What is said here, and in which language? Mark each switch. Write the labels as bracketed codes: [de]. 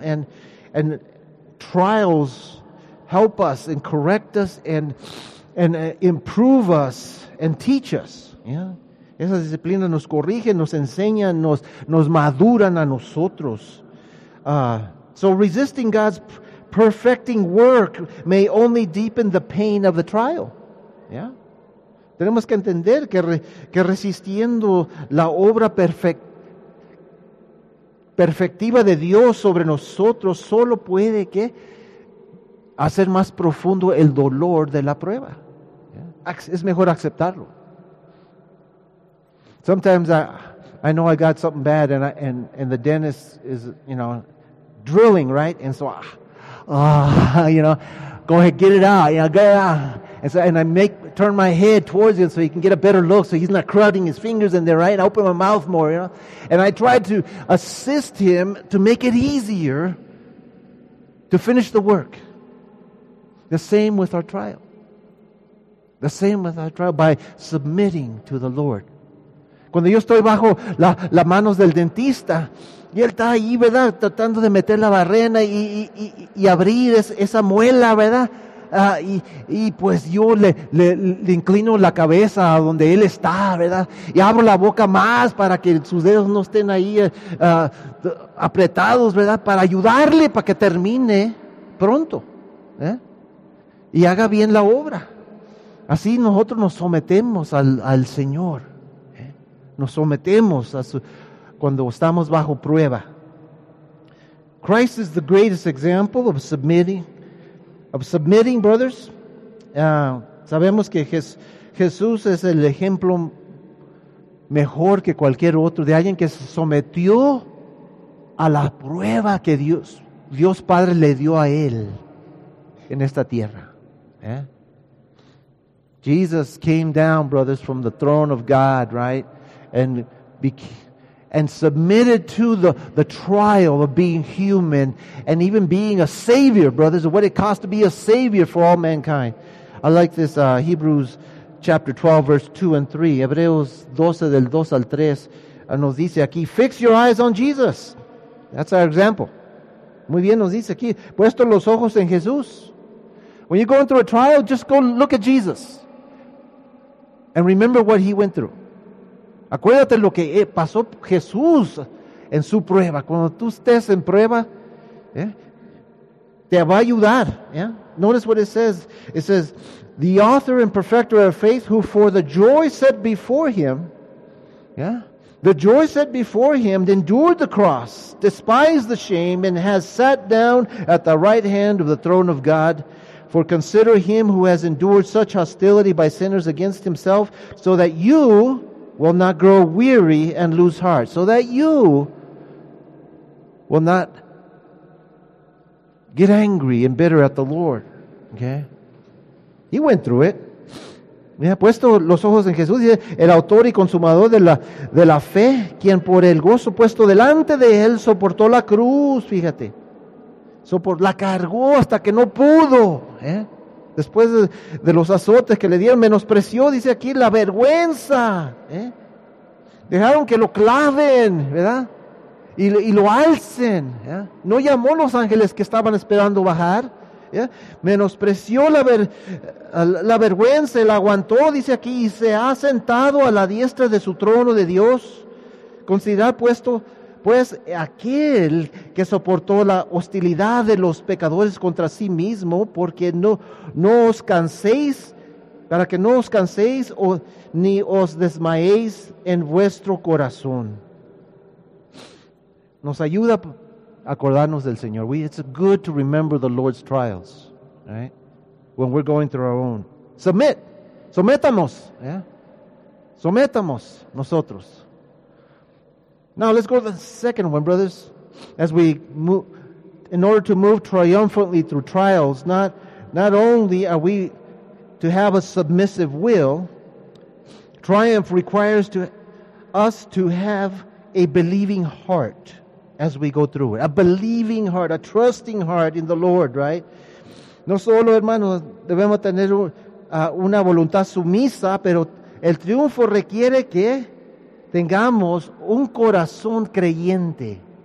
[en] And trials help us and correct us and improve us and teach us. Yeah. [es] Esas disciplinas nos corrigen, nos enseñan, nos maduran a nosotros. [en] So resisting God's perfecting work may only deepen the pain of the trial. Yeah. [es] Tenemos que entender que resistiendo la obra perfectiva de Dios sobre nosotros solo puede que hacer más profundo el dolor de la prueba. Yeah. Es mejor aceptarlo. [en] Sometimes I know I got something bad and the dentist is, you know, drilling, right? And so, you know, go ahead, get it out, you know, get it out. And I turn my head towards him so he can get a better look, so he's not crowding his fingers in there, right? And I open my mouth more, you know. And I try to assist him to make it easier to finish the work. The same with our trial. The same with our trial by submitting to the Lord. [es] Cuando yo estoy bajo las manos del dentista y él está ahí, ¿verdad?, tratando de meter la barrena y abrir esa muela, ¿verdad? Y pues yo le inclino la cabeza a donde él está, ¿verdad? Y abro la boca más para que sus dedos no estén ahí apretados, ¿verdad? Para ayudarle para que termine pronto, ¿eh? Y haga bien la obra. Así nosotros nos sometemos al Señor. Nos sometemos cuando estamos bajo prueba. [en] Christ is the greatest example of submitting, brothers. [es] Sabemos que Jesús es el ejemplo mejor que cualquier otro de alguien que se sometió a la prueba que Dios Padre le dio a él en esta tierra. ¿Eh? [en] Jesus came down, brothers, from the throne of God, right? And submitted to the trial of being human and even being a savior, brothers, of what it costs to be a savior for all mankind. I like this Hebrews chapter 12, verse 2 and 3. [es] Hebreos 12, del 2 al 3, nos dice aquí, [en] fix your eyes on Jesus. That's our example. [es] Muy bien, nos dice aquí, puesto los ojos en Jesús. [en] When you're going through a trial, just go look at Jesus and remember what he went through. [es] Acuérdate lo que pasó Jesús en su prueba. Cuando tú estés en prueba, ¿eh?, te va a ayudar. [en] ¿Eh? Notice what it says. It says, the author and perfecter of faith, who for the joy set before him, ¿eh?, the joy set before him, endured the cross, despised the shame, and has sat down at the right hand of the throne of God. For consider him who has endured such hostility by sinners against himself, so that you will not grow weary and lose heart. So that you will not get angry and bitter at the Lord. Okay? He went through it. [es] Me ha puesto los ojos en Jesús, el autor y consumador de la fe, quien por el gozo puesto delante de él soportó la cruz, fíjate. La cargó hasta que no pudo. ¿Eh? Después de los azotes que le dieron, menospreció, dice aquí, la vergüenza. ¿Eh? Dejaron que lo claven, ¿verdad? Y lo alcen. ¿Eh? No llamó a los ángeles que estaban esperando bajar. ¿Eh? Menospreció la vergüenza, la aguantó, dice aquí, y se ha sentado a la diestra de su trono de Dios. Considerar puesto, pues, aquel que soportó la hostilidad de los pecadores contra sí mismo, porque no os canséis o ni os desmayéis en vuestro corazón. Nos ayuda a acordarnos del Señor. [en] It's good to remember the Lord's trials, right? When we're going through our own. [es] Sometámonos, ¿eh? Sometámonos nosotros. [en] Now let's go to the second one, brothers. As we move, in order to move triumphantly through trials, not only are we to have a submissive will, triumph requires us to have a believing heart as we go through it. A believing heart, a trusting heart in the Lord, right? [es] No solo, hermano, debemos tener una voluntad sumisa, pero el triunfo requiere que tengamos un corazón creyente.